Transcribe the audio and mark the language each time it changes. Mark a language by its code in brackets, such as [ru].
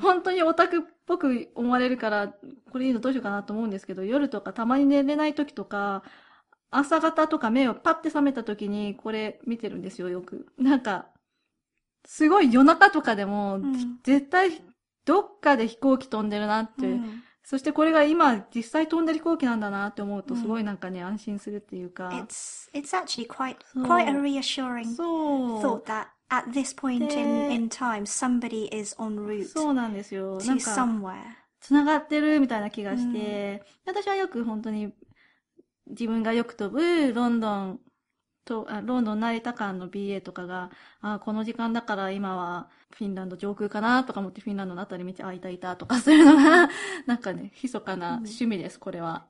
[ja] 本当にオタクっぽく思われるから、これいいのどうしようかなと思うんですけど、夜とかたまに寝れない時とか、朝方とか目をパッて覚めた時にこれ見てるんですよ、よく。なんか、すごい夜中とかでも、うん、絶対どっかで飛行機飛んでるなって、うん。そしてこれが今実際飛んでる飛行機なんだなって思うと、すごいなんかね、うん、安心するっていうか。 [en] It's actually quite a reassuring thought that at this point in time, somebody is en route [ja] そうなんですよ。 [en] to somewhere. [ja] つながってるみたいな気がして、うん、私はよく本当に自分がよく飛ぶロンドンと、ロンドン成田間の BA とかが、あ、この時間だから今はフィンランド上空かなとか思ってフィンランドのあたり見て、あ、いたいたとかするのが、なんかね、密かな趣味です、これは。